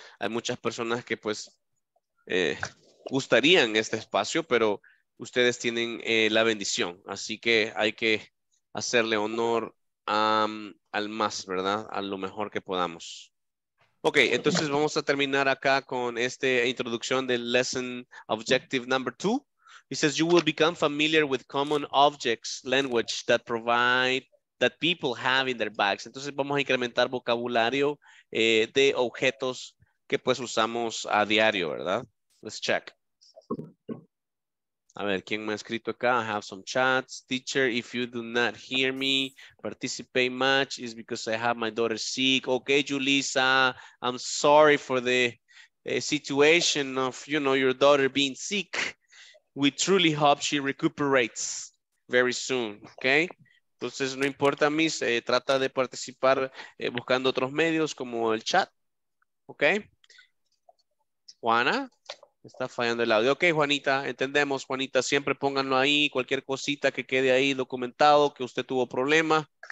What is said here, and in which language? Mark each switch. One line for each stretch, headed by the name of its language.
Spanish: Hay muchas personas que pues gustarían este espacio, pero ustedes tienen la bendición. Así que hay que hacerle honor al más, ¿verdad? A lo mejor que podamos. Ok, entonces vamos a terminar acá con esta introducción del
English: lesson objective number 2. It says you will become familiar with common objects, language that provide, that people have in their bags.
Spanish: Entonces vamos a incrementar vocabulario de objetos que pues usamos a diario, ¿verdad?
English: Let's check.
Spanish: A ver, ¿quién me ha escrito acá?
English: I have some chats. Teacher, if you do not hear me, participate much, it's because I have my daughter sick. Okay, Julissa, I'm sorry for the situation of, you know, your daughter being sick. We truly hope she recuperates very soon, okay?
Spanish: Entonces, no importa, Miss, trata de participar buscando otros medios como el chat, okay? Juana. Está fallando el audio. Ok, Juanita, entendemos. Juanita, siempre pónganlo ahí. Cualquier cosita que quede ahí documentado, que usted tuvo problema.